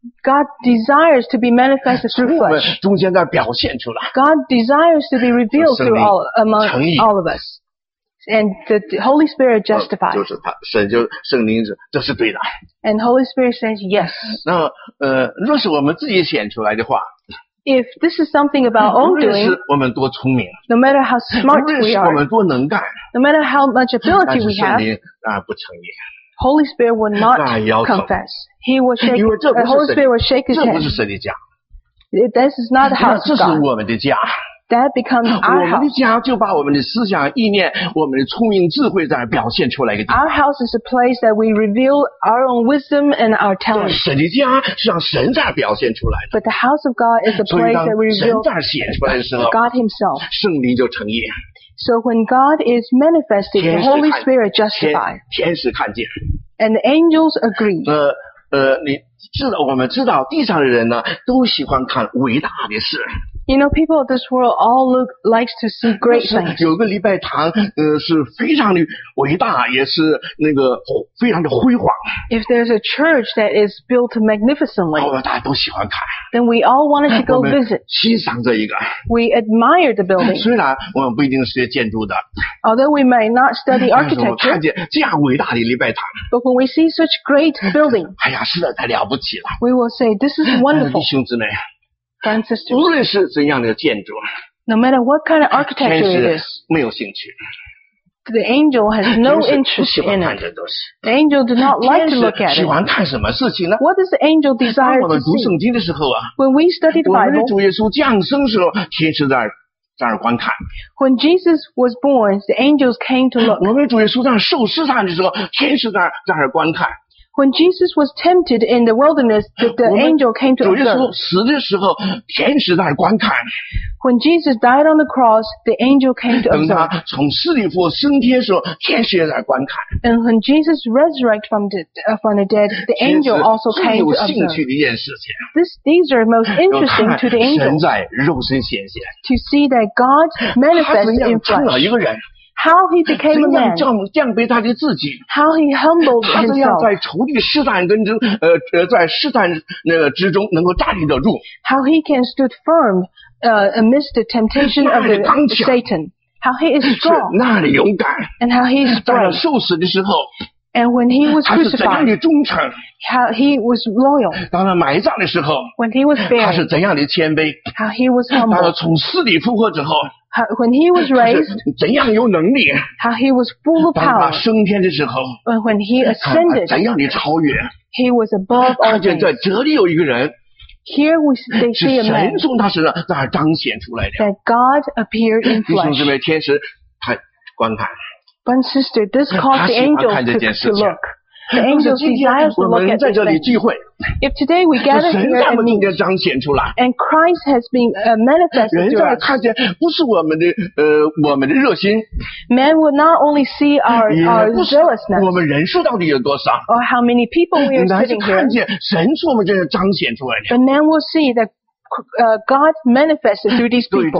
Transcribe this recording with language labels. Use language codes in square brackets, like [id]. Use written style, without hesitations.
[en] God desires to be manifested through flesh. [zh] 从我们中间那表现出来。 [en] God desires to be revealed through all among all of us. And the Holy Spirit justifies. [zh] 就是他，神就圣灵是这是对的。 [en] And Holy Spirit says yes. [zh] 那若是我们自己显出来的话。 [en] If this is something about our own doing, [zh] 我们多聪明, [en] no matter how smart we are, [zh] 我们多能干, [en] no matter how much ability we have, [zh] 但是圣灵不承认, [en] Holy Spirit will not confess. He will shake, the Holy Spirit will shake his hand. [zh] 这不是神的家, [en] this is not the house of God. [zh] 那这是我们的家, [en] that becomes our house. [zh] 我们的家就把我们的思想、意念、我们的聪明智慧在表现出来一个地方。 [en] Our house is a place that we reveal our own wisdom and our talent. [zh] 神的家是让神在表现出来的。 [en] But the house of God is a place that we reveal. [zh] 所以当神在显出来的时候 [en] ，God Himself. [zh] 圣灵就成义。 [en] So when God is manifested, the Holy Spirit justified. [zh] 天使看见。 [en] And the angels agree. [zh] 你知道我们知道地上的人呢都喜欢看伟大的事。 [en] You know, people of this world all look likes to see great things. [zh] 有个礼拜堂，是非常的伟大，也是那个非常的辉煌。 [en] If there's a church that is built magnificently, [zh] 我们大家都喜欢看。 [en] Then we all wanted to go visit. [zh] 欣赏这一个。 [en] We admire the building. [zh] 虽然我们不一定学建筑的。 [en] Although we may not study architecture. [zh] 看见这样伟大的礼拜堂。 [en] But when we see such great building, [zh] 哎呀，实在太了不起了。 [en] We will say this is wonderful. [zh] 弟兄姊妹。 [en] Francis, [zh] 无论是怎样的建筑 [en] ，No matter what kind of architecture it is， [zh] 没有兴趣。 [en] The angel has no interest in it. [zh] 不喜欢看这东西。 [en] The angel does not like to look at it. [zh] 喜欢看什么事情呢 [en] ？What does the angel desire to see？ [zh] 当我们读圣经的时候啊 [en] ，When we study the Bible， [zh] 我们的主耶稣降生时候，天使在那观看。 [en] When Jesus was born， the angels came to look。 [zh] 我们的主耶稣在受试探的时候，天使在那观看。 [en] When Jesus was tempted in the wilderness, the angel came to observe. [zh] 主耶稣死的时候，天使在观看。 [en] When Jesus died on the cross, the angel came to observe. [zh] 等他从死里复活升天的时候，天使也在观看。 [en] And when Jesus resurrected from the dead, the angel also came to observe. [zh] 最有兴趣的一件事情。 [en] These are most interesting to the angel. [zh] 神在肉身显现。 [en] To see that God manifests in flesh. [zh] 他怎么样成了一个人？ [en] How he became a man. [zh] 怎样降卑他的自己 [en] ？How he humbled himself. [zh] 他怎样在仇敌试探跟中，在试探那个之中能够站立得住 [en] ？How he can stood firm, amidst the temptation of the Satan. How he is strong. [zh] 那里勇敢。 [en] And how he is strong. [zh] 在受死的时候。 [en] And when he was crucified. [zh] 他是怎样的忠诚 [en] ？How he was loyal. [zh] 当他埋葬的时候。 [en] When he was buried. [zh] 他是怎样的谦卑 [en] ？How he was humble. [zh] 当他从死里复活之后。 [en] When he was raised, [zh] 怎样有能力 [en] ？How he was full of power. [zh] 当他升天的时候 [en] ，When he ascended, [zh] 怎样的超越 [en] ？He was above all. [zh] 看见在这里有一个人 [en] ，Here we see a man. [zh] 是神从他身上在彰显出来的。 [en] That God appeared in flesh. [zh] 弟兄姊妹，天使他观看。 [en] But sister, this caused the angel to look. The angel desires to look at this thing. If today we gather here and meet, and Christ has been manifested to us, man will not only see our zealousness or how many people we are sitting here, but man will see that God manifested through these people.